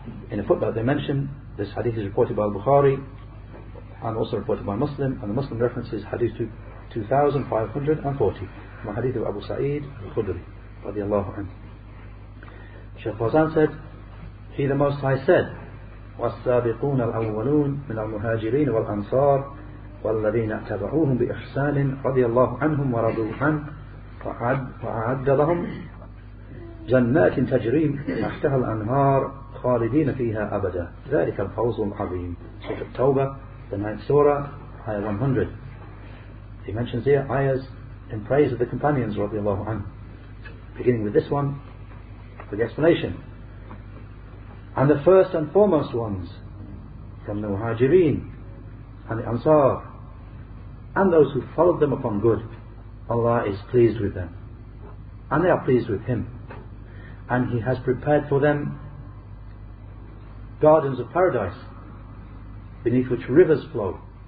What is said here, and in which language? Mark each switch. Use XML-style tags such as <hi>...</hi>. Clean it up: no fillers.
<en>In a footnote they mention this hadith is reported by al-Bukhari and also reported by Muslim, and the Muslim references hadith 2540 from a hadith of Abu Sa'id al-Khudri radiallahu anhu. Sheikh Fawzan said, He the Most High said,</en> <ar>والسابقون الأولون من المهاجرين والأنصار والذين اتبعوهم بإحسان رضي الله عنهم ورضوا عنه وأعد لهم جنات تجري تحتها الأنهار خالدين فيها أبدا ذلك الفوز العظيم.</ar> <en>سورة التوبة, the ninth surah, ayah 100. He mentions here ayahs in praise of the companions</en> <ar>رضي الله عنه,</ar> <en>beginning with this one for the explanation. And the first and foremost ones from the Muhajireen and the Ansar and those who followed them upon good, Allah is pleased with them and they are pleased with Him, and He has prepared for them gardens of paradise beneath which rivers flow.</en>